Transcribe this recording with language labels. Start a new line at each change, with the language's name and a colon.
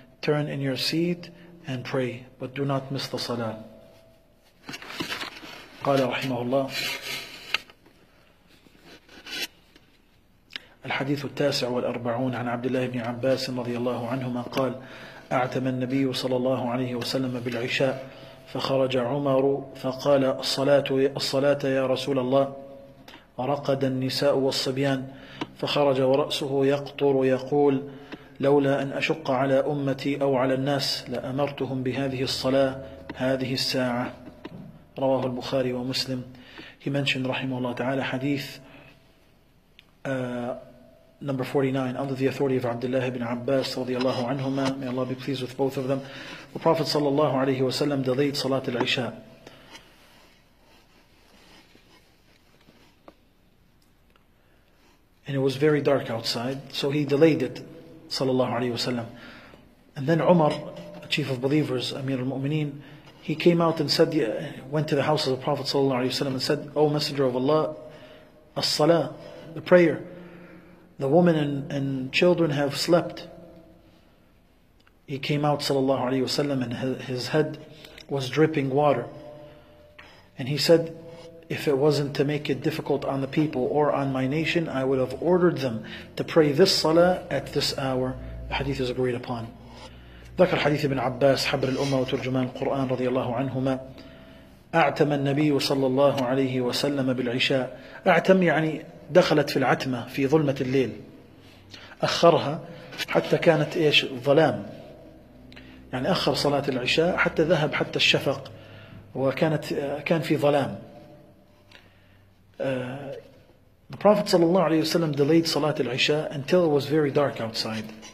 English: Turn in your seat and pray, but do not miss the salah.
Arabic: قال رحمه الله الحديث التاسع والأربعون عن عبد الله بن عباس رضي الله عنهما قال أعتم النبي صلى الله عليه وسلم بالعشاء فخرج عمر فقال الصلاة يا رسول الله رقد النساء والصبيان فخرج ورأسه يقطر يقول لولا أن أشق على أمتي أو على الناس لأمرتهم بهذه الصلاة هذه الساعة رواه البخاري ومسلم
English: He mentioned
Arabic: رحمه الله تعالى حديث
English: number 49 under the authority of Abdullah ibn Abbas
Arabic: رضي الله عنهما
English: May Allah be pleased with both of them The Prophet
Arabic: صلى الله عليه وسلم
English: delayed
Arabic: صلاة العشاء
English: And it was very dark outside, so he delayed it, sallallahu alayhi wa sallam. And then Umar, chief of believers, Amir al-Mu'mineen, he came out and said, went to the house of the Prophet sallallahu alayhi wa sallam and said, O Messenger of Allah, as-salah, the prayer. The woman and children have slept. He came out, sallallahu alayhi wa sallam, and his head was dripping water. And he said, If it wasn't to make it difficult on the people or on my nation, I would have ordered them to pray this salah at this hour. The hadith is agreed upon.
Arabic: ذكر حديث ابن عباس حبر الأمة وترجمان القرآن رضي الله عنهما أعتم النبي صلى الله عليه وسلم بالعشاء أعتم يعني دخلت في العتمة في ظلمة الليل أخرها حتى كانت إيش ظلام يعني أخر صلاة العشاء حتى ذهب حتى الشفق وكانت كان في ظلام
English: the Prophet sallallahu alaihi wasallam delayed salat al-isha until it was very dark outside.